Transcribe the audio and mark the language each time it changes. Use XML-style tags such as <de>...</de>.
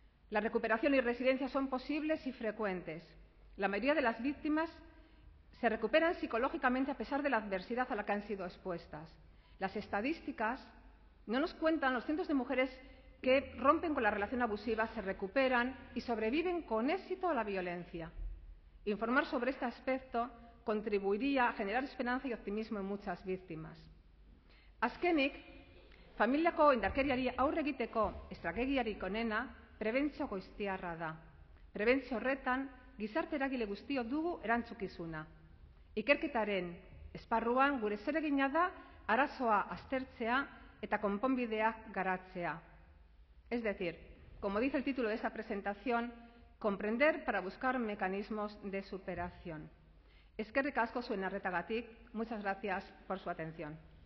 <es>La recuperación y resiliencia son posibles y frecuentes. La mayoría de las víctimas se recuperan psicológicamente a pesar de la adversidad a la que han sido expuestas. Las estadísticas no nos cuentan los cientos de mujeres que rompen con la relación abusiva, se recuperan y sobreviven con éxito a la violencia. Informar sobre este aspecto contribuiría a generar esperanza y optimismo en muchas víctimas.</es> <eu>Azkenik, familiako indarkeriari aurre egiteko estrategiarik onena, prebentzio goiztiarra da. Prebentzio horretan, gizarte eragile guztio dugu erantzukizuna. Ikerketaren esparruan gure zeregina da arazoa aztertzea eta konponbideak garatzea.</eu> <es>Es decir, como dice el título de esta presentación, comprender para buscar mecanismos de superación.</es> <eu>Eskerrik asko zuen arretagatik,</eu> <es>muchas gracias por su atención.</es>